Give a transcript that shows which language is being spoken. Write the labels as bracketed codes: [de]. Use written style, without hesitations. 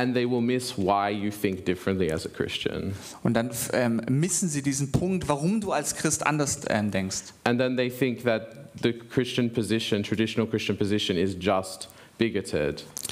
[en] And they will miss why you think differently as a Christian. [de] Und dann missen sie diesen Punkt, warum du als Christ anders denkst. [en] And then they think that the Christian position, traditional Christian position, is just bigoted.